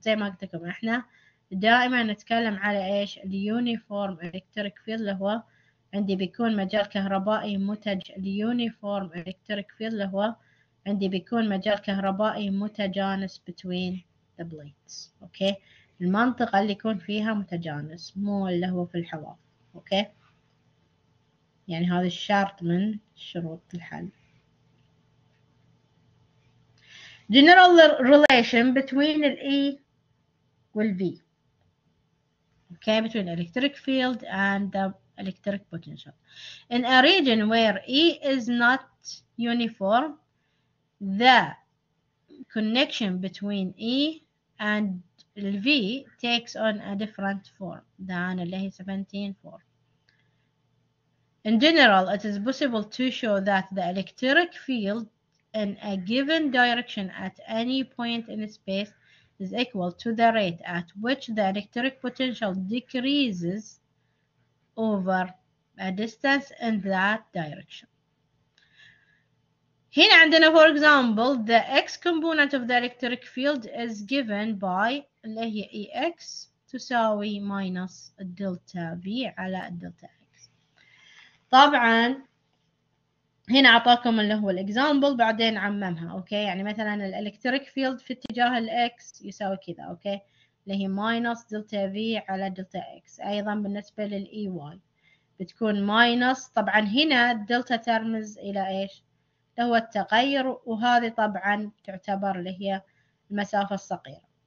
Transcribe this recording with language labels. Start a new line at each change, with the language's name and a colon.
Arabic: زي ما قلت لكم إحنا دائما نتكلم على إيش uniform electric field، اللي هو عندي بيكون مجال كهربائي متج uniform electric field، اللي هو عندي بيكون مجال كهربائي متجانس
English: between the plates.
Arabic: أوكي المنطقة اللي يكون فيها متجانس مو اللي هو في الحواف. أوكي يعني هذا الشرط من شروط الحل.
English: General relation between the E will be okay between electric field and the electric potential. In a region where E is not uniform, the connection between E and V takes on a different form than
Arabic: اللي هي 17.4.
English: In general, it is possible to show that the electric field in a given direction at any point in space is equal to the rate at which the electric potential decreases over a distance in that direction.
Arabic: هنا عندنا
English: for example the x component of the electric field is given by
Arabic: اللي هي ex تساوي
English: minus delta v على delta x.
Arabic: طبعا هنا أعطاكم اللي هو الإكزامبل بعدين عممها، أوكي؟ يعني مثلاً الإلكتريك فيلد في اتجاه الإكس يساوي كذا، أوكي؟ اللي هي ماينس دلتا في على دلتا إكس، أيضاً بالنسبة للإي واي بتكون ماينس، طبعاً هنا دلتا ترمز إلى إيش؟ اللي هو التغير، وهذه طبعاً تعتبر اللي هي المسافة الصغيرة.